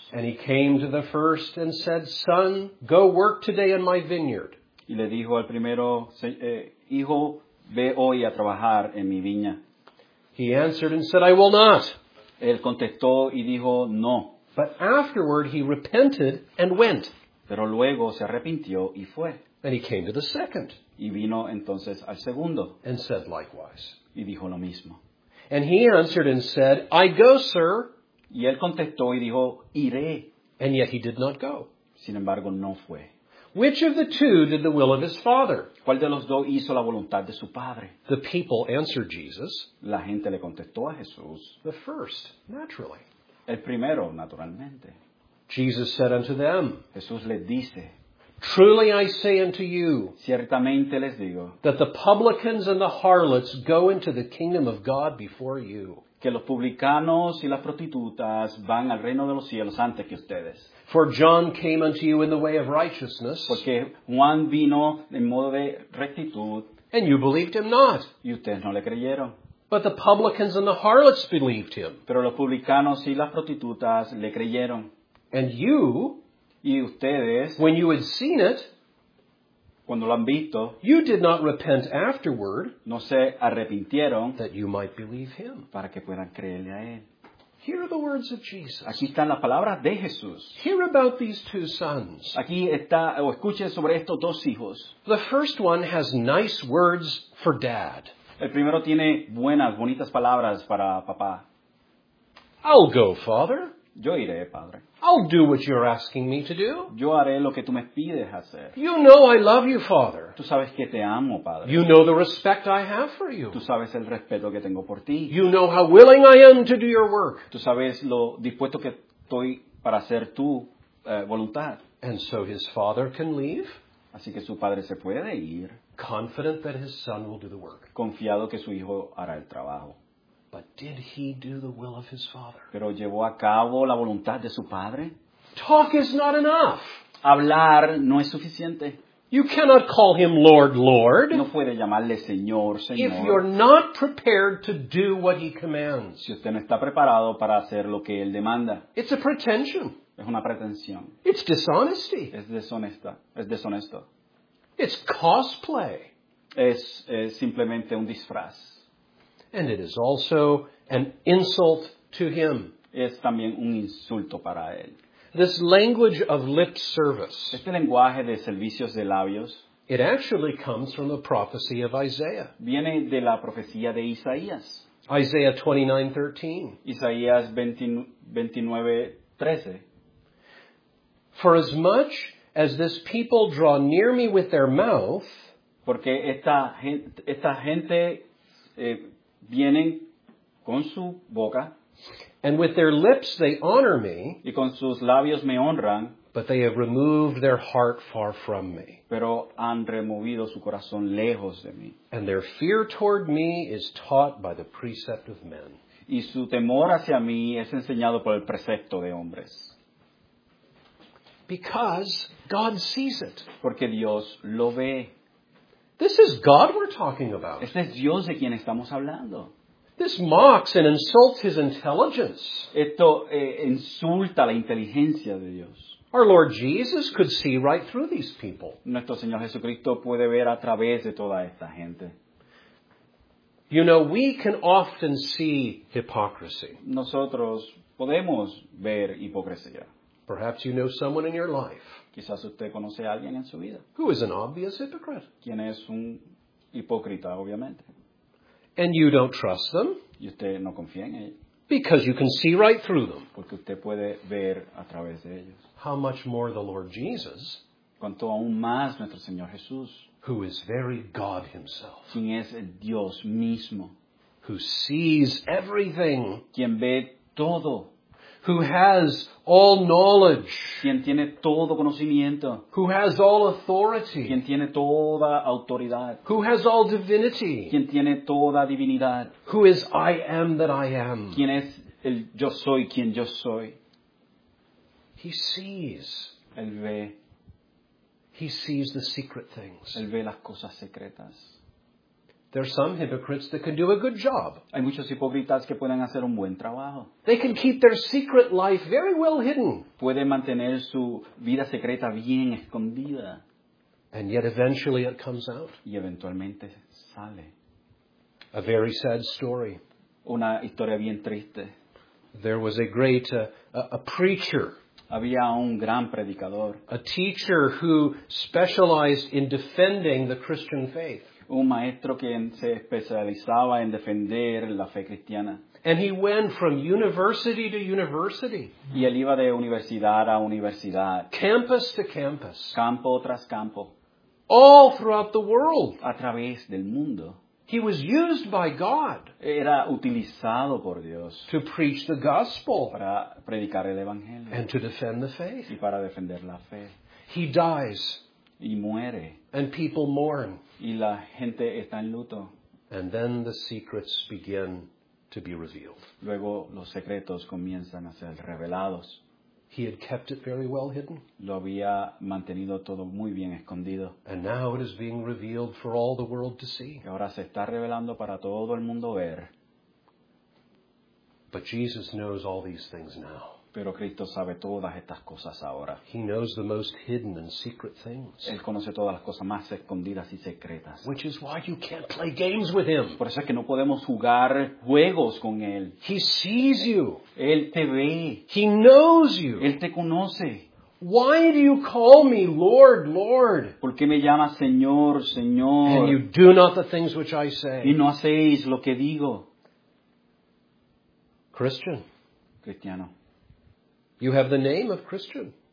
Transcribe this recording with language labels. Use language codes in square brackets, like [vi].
[en] And he came to the first and said, "Son, go work today in my vineyard." [es] Y le dijo al primero, "Hijo, ve hoy a trabajar en mi viña." [en] He answered and said, "I will not." [es] Él contestó y dijo, "No." [en] But afterward he repented and went. [es] Pero luego se arrepintió y fue. [en] And he came to the second. [es] Y vino entonces al segundo. [en] And said likewise. [es] Y dijo lo mismo. [en] And he answered and said, "I go, sir." [es] Y él contestó y dijo, "Iré." [en] And yet he did not go. [es] Sin embargo, no fue. [en] Which of the two did the will of his father? [es] ¿Cuál de los dos hizo la voluntad de su padre? [en] The people answered Jesus. [es] La gente le contestó a Jesús. [en] The first, naturally. [es] El primero, naturalmente. [en] Jesus said unto them. [es] Jesús les dice. [en] Truly I say unto you, [es] ciertamente les digo, [en] that the publicans and the harlots go into the kingdom of God before you. [es] Que los publicanos y las prostitutas van al reino de los cielos antes que ustedes. [en] For John came unto you in the way of righteousness, [es] porque Juan vino en modo de rectitud, [en] and you believed him not. [es] Y ustedes no le creyeron. [en] But the publicans and the harlots believed him. [es] Pero los publicanos y las prostitutas le creyeron. [en] And you, [es] y ustedes, [en] when you had seen it, [es] cuando lo han visto, [en] you did not repent afterward, [es] no se arrepintieron, [en] that you might believe him. [es] Para que puedan creerle a él. [en] Here are the words of Jesus. [es] Aquí están las palabras de Jesús. [en] Hear about these two sons. [es] Aquí está, o escuchen sobre estos dos hijos. [en] The first one has nice words for dad. [es] El primero tiene buenas, bonitas palabras para papá. [en] I'll go, father. [es] Yo iré, padre. [en] I'll do what you're asking me to do. [es] Yo haré lo que tú me pides hacer. [en] You know I love you, father. [es] Tú sabes que te amo, padre. [en] You know the respect I have for you. [es] Tú sabes el respeto que tengo por ti. [en] You know how willing I am to do your work. [es] Tú sabes lo dispuesto que estoy para hacer tu voluntad. [en] And so his father can leave. [es] Así que su padre se puede ir. [en] Confident that his son will do the work. [es] Confiado que su hijo hará el trabajo. [en] But did he do the will of his father? [es] ¿Pero llevó a cabo la voluntad de su padre? [en] Talk is not enough. [es] Hablar no es suficiente. [en] You cannot call him Lord, Lord. [es] No puede llamarle Señor, Señor. [en] If you're not prepared to do what he commands. [es] Si usted no está preparado para hacer lo que él demanda. [en] It's a pretension. [es] Es una pretensión. [en] It's dishonesty. [es] Es deshonesta. Es deshonesto. [en] It's cosplay. [es] Es simplemente un disfraz. [en] And it is also an insult to him. [es] Es también un insulto para él. [en] This language of lip service. [es] Este lenguaje de servicios de labios. [en] It actually comes from the prophecy of Isaiah. [es] Viene de la profecía de Isaías. [en] Isaiah 29:13. [es] Isaías 29:13. [en] For as much as this people draw near me with their mouth. [es] Porque esta gente vienen con su boca, [en] and with their lips they honor me, [es] y con sus labios me honran, [en] but they have removed their heart far from me, [es] pero han removido su corazón lejos de mí, [en] and their fear toward me is taught by the precept of men, [es] y su temor hacia mí es enseñado por el precepto de hombres. [en] Because God sees it. [es] Porque Dios lo ve. [en] This is God we're talking about. [es] Este es Dios de quien estamos hablando. [en] This mocks and insults his intelligence. [es] Esto insulta la inteligencia de Dios. [en] Our Lord Jesus could see right through these people. [es] Nuestro Señor Jesucristo puede ver a través de toda esta gente. [en] You know, we can often see hypocrisy. [es] Nosotros podemos ver hipocresía. [en] Perhaps you know someone in your life. [es] Quizás usted conoce a alguien en su vida. [en] Who is an obvious hypocrite? [es] ¿Quién es un hipócrita, obviamente? [en] And you don't trust them. [es] Y usted no confía en ellos. [en] Because you can see right through them. [es] Porque usted puede ver a través de ellos. [en] How much more the Lord Jesus, [es] cuanto aún más nuestro Señor Jesús, [en] who is very God himself, [es] quien es el Dios mismo, [en] who sees everything, [es] quien ve todo, [en] who has all knowledge, [es] quien tiene todo conocimiento, [en] who has all authority, [es] quien tiene toda autoridad, [en] who has all divinity, [es] quien tiene toda divinidad, [en] who is I am that I am, [es] quien es el yo soy quien yo soy. [en] He sees. [es] Él ve. [en] He sees the secret things. [es] Él ve las cosas secretas. [en] There are some hypocrites that can do a good job. [es] Hay muchos hipócritas que pueden hacer un buen trabajo. [en] They can keep their secret life very well hidden. [es] Pueden mantener su vida secreta bien escondida. [en] And yet eventually it comes out. [es] Y eventualmente sale. [en] A very sad story. [es] Una historia bien triste. [en] There was a great preacher. [es] Había un gran predicador, [en] a teacher who specialized in defending the Christian faith. [es] Un maestro que se especializaba en defender la fe cristiana. [en] And he went from university to university. [es] Y él iba de universidad a universidad. [en] Campus to campus. [es] Campo tras campo. [en] All throughout the world. [es] A través del mundo. [en] He was used by God. [es] Era utilizado por Dios. [en] To preach the gospel. [es] Para predicar el evangelio. [en] And to defend the faith. [es] Y para defender la fe. [en] He dies. [es] Y muere. [en] And people mourn. [es] Y la gente está en luto. [en] And then the secrets begin to be revealed. [es] Luego los secretos comienzan a ser revelados. [en] He had kept it very well hidden. [es] Lo había mantenido todo muy bien escondido. [en] And now it is being revealed for all the world to see. [es] Ahora se está revelando para todo el mundo ver. [en] But Jesus knows all these things now. [es] Pero Cristo sabe todas estas cosas ahora. [en] He knows the most hidden and secret things. [es] Él conoce todas las cosas más escondidas y secretas. [en] Which is why you can't play games with him. [es] Por eso es que no podemos jugar juegos con él. [en] He sees you. [es] Él te ve. [en] He knows you. [es] Él te conoce. [en] Why do you call me Lord, Lord? [es] ¿Por qué me llamas Señor, Señor? [en] And you do not the things which I say. [es] Y no hacéis lo que digo. [en] Christian. [es] Cristiano. [en] You have the name of Christian.